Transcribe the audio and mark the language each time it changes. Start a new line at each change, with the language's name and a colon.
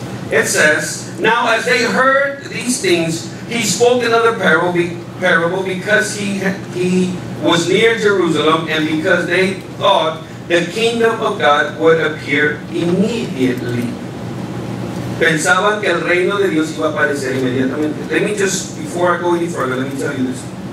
English: It says, now as they heard these things, he spoke another parable because he was near Jerusalem, and because they thought the kingdom of God would appear immediately.
Spanish: Pensaban que el reino de Dios iba a aparecer inmediatamente.
English: Let me just, before I go any further, let me tell you this.